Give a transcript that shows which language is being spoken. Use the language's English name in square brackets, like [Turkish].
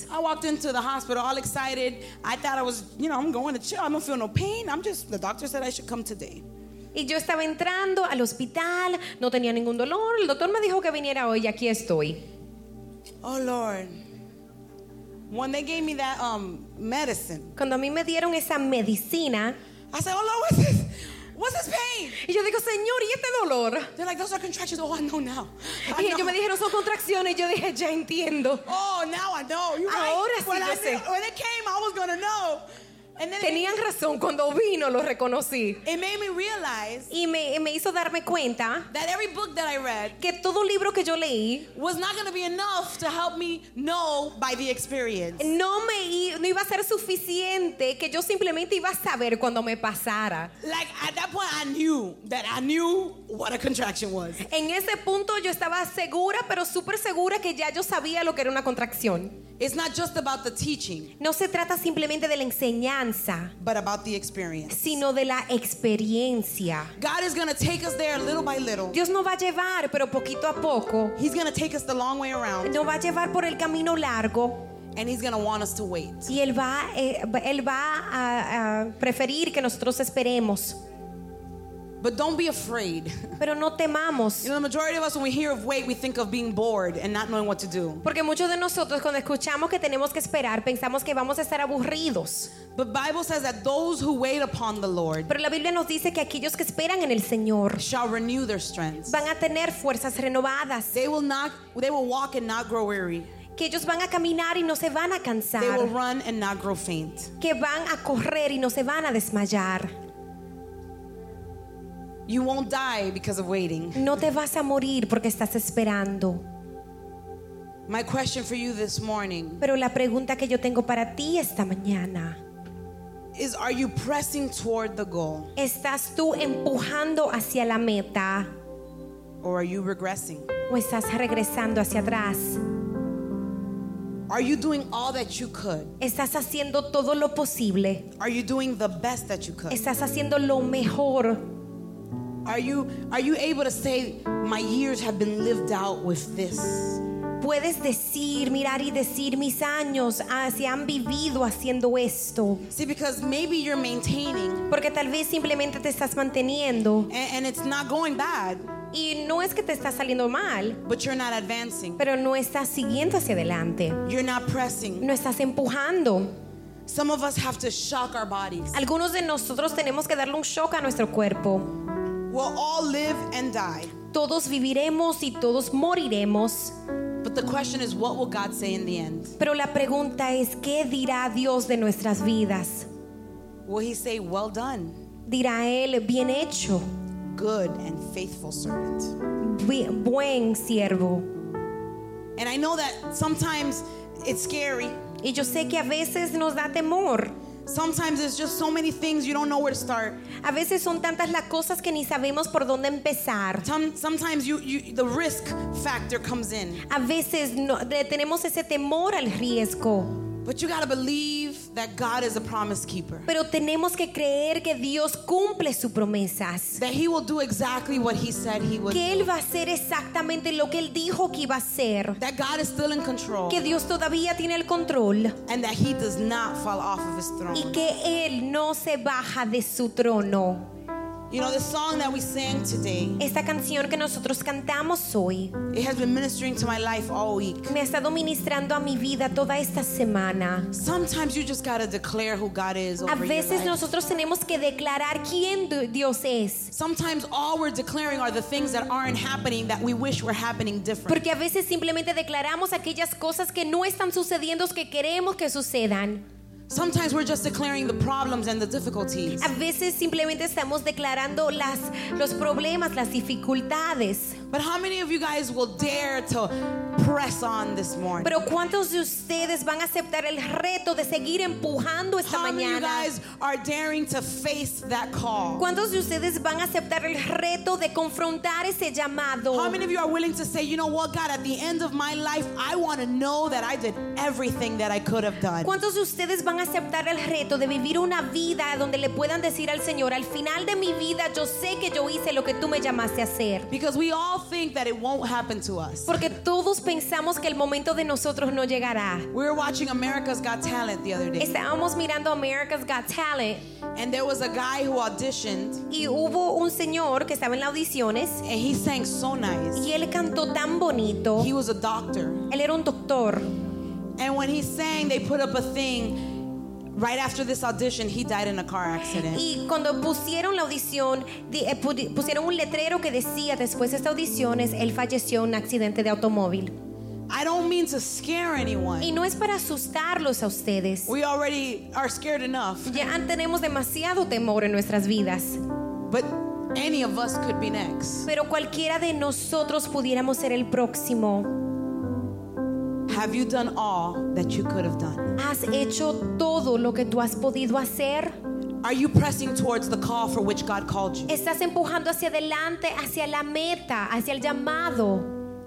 [English] I walked into the hospital all excited. I thought I was, you know, I'm going to chill. I don't feel no pain. The doctor said I should come today. [Spanish] Y yo estaba entrando al hospital. No tenía ningún dolor. El doctor me dijo que viniera hoy. Aquí estoy. [English] Oh, Lord. When they gave me that medicine. [Spanish] Cuando a mí me dieron esa medicina. [English] I said, oh, Lord, what's this pain? [Spanish] Y yo digo, Señor, ¿y este dolor? [English] They're like, those are contractions. Oh, I know now. [Spanish] Y ellos me dijeron, son contracciones. Y yo dije, ya entiendo. [English] Oh, now I know. You're right. [Spanish] Ahora sí, [English] when [Spanish] yo sé. [English] When it came, I was going to know. And then [Spanish] tenían razón. Cuando vino, lo reconocí. [English] It made me realize. [Spanish] Y me hizo darme cuenta. [English] That every book that I read. [Spanish] Que todo libro que yo leí. [English] Was not going to be enough to help me know by the experience. [Spanish] No iba a ser suficiente que yo simplemente iba a saber cuando me pasara. [English] Like, at that point, I knew what a contraction was. [Spanish] En ese punto, yo estaba segura, pero súper segura que ya yo sabía lo que era una contracción. [English] It's not just about the teaching. [Spanish] No se trata simplemente de la enseñanza. [English] But about the experience. [Spanish] Sino de la experiencia. [English] God is going to take us there little by little. [Spanish] Dios nos va a llevar, pero poquito a poco. [English] He's going to take us the long way around. [Spanish] Nos va a llevar por el camino largo. [English] And he's going to want us to wait. [Spanish] Y él va a preferir que nosotros esperemos. [English] But don't be afraid. [Spanish] Pero no temamos. [English] You know, the majority of us, when we hear of wait, we think of being bored and not knowing what to do. [Spanish] Porque muchos de nosotros, cuando escuchamos que tenemos que esperar, pensamos que vamos a estar aburridos. [English] But the Bible says that those who wait upon the Lord. [Spanish] Pero la Biblia nos dice que aquellos que esperan en el Señor [English] shall renew their strength. [Spanish] Van a tener fuerzas renovadas. [English] They will walk and not grow weary. [Spanish] Que ellos van a caminar y no se van a cansar. [English] They will run and not grow faint. [Spanish] Que van a correr y no se van a desmayar. [English] You won't die because of waiting. [Spanish] No te vas a morir porque estás esperando. [English] My question for you this morning. [Spanish] Pero la pregunta que yo tengo para ti esta mañana. [English] Is, are you pressing toward the goal? [Spanish] ¿Estás tú empujando hacia la meta? [English] Or are you regressing? [Spanish] ¿O estás regresando hacia atrás? [English] Are you doing all that you could? [Spanish] ¿Estás haciendo todo lo posible? [English] Are you doing the best that you could? [Spanish] ¿Estás haciendo lo mejor? [English] Are you able to say my years have been lived out with this? [Spanish] Puedes decir, mirar y decir mis años se han vivido haciendo esto. [English] See, because maybe you're maintaining. [Spanish] Porque tal vez simplemente te estás manteniendo. [English] And it's not going bad. [Spanish] Y no es que te está saliendo mal. [English] But you're not advancing. [Spanish] Pero no estás siguiendo hacia adelante. [English] You're not pressing. [Spanish] No estás empujando. [English] Some of us have to shock our bodies. [Spanish] Algunos de nosotros tenemos que darle un shock a nuestro cuerpo. [English] We'll all live and die. [Spanish] Todos viviremos y todos moriremos. [English] But the question is, what will God say in the end? [Spanish] Pero la pregunta es, ¿qué dirá Dios de nuestras vidas? [English] Will he say, well done? [Spanish] Dirá él, bien hecho. [English] Good and faithful servant. [Spanish] Buen siervo. [English] And I know that sometimes it's scary. [Spanish] Y yo sé que a veces nos da temor. [English] Sometimes it's just so many things you don't know where to start. [Spanish] A veces son tantas las cosas que ni sabemos por dónde empezar. [English] Sometimes you the risk factor comes in. [Spanish] A veces no, tenemos ese temor al riesgo. [English] But you gotta believe that God is a promise keeper. [Spanish] Pero tenemos que creer que Dios cumple sus promesas. [English] That he will do exactly what he said he would. [Spanish] Que él va a hacer exactamente lo que él dijo que iba a hacer. [English] That God is still in control. [Spanish] Que Dios todavía tiene el control. [English] And that he does not fall off of his throne. [Spanish] Y que él no se baja de su trono. [English] You know, the song that we sang today. [Spanish] Esta canción que nosotros cantamos hoy. [English] It has been ministering to my life all week. [Spanish] Me ha estado ministrando a mi vida toda esta semana. [English] Sometimes you just gotta declare who God is over your life. [Spanish] A veces nosotros tenemos que declarar quién Dios es. [English] Sometimes all we're declaring are the things that aren't happening that we wish were happening different. [Spanish] Porque a veces simplemente declaramos aquellas cosas que no están sucediendo que queremos que sucedan. [English] Sometimes we're just declaring the problems and the difficulties. [Spanish] A veces simplemente estamos declarando los problemas, las dificultades. [English] But how many of you guys will dare to press on this morning? [Spanish] Pero ¿cuántos de ustedes van a aceptar el reto de seguir empujando esta [English] how [Spanish] mañana? [English] How many of you guys are daring to face that call? [Spanish] ¿Cuántos de ustedes van a aceptar el reto de confrontar ese llamado? [English] How many of you are willing to say, you know what, God, at the end of my life, I want to know that I did everything that I could have done? [Spanish] ¿Cuántos de ustedes van a aceptar el reto de vivir una vida donde le puedan decir al Señor, al final de mi vida, yo sé que yo hice lo que tú me llamaste a hacer? [English] Because we all think that it won't happen to us. [Spanish] Porque todos pensamos que el momento de nosotros no llegará. [English] We were watching America's Got Talent the other day. [Spanish] Estábamos mirando America's Got Talent. [English] And there was a guy who auditioned. [Spanish] Y hubo un señor que estaba en las audiciones. [English] And he sang so nice. [Spanish] Y él cantó tan bonito. [English] He was a doctor. [Spanish] Él era un doctor. [English] And when he sang, they put up a thing. Right after this audition, he died in a car accident. [Spanish] Y cuando pusieron la audición, pusieron un letrero que decía después de esta audición, él falleció en un accidente de automóvil. [English] I don't mean to scare anyone. [Spanish] Y no es para asustarlos a ustedes. [English] We already are scared enough. [Spanish] Ya tenemos demasiado temor en nuestras vidas. [English] But any of us could be next. [Spanish] Pero cualquiera de nosotros pudiéramos ser el próximo. [English] Have you done all that you could have done? [Spanish] ¿Has hecho todo lo que tú has podido hacer? [English] Are you pressing towards the call for which God called you? [Spanish] ¿Estás empujando hacia adelante, hacia la meta, hacia el llamado?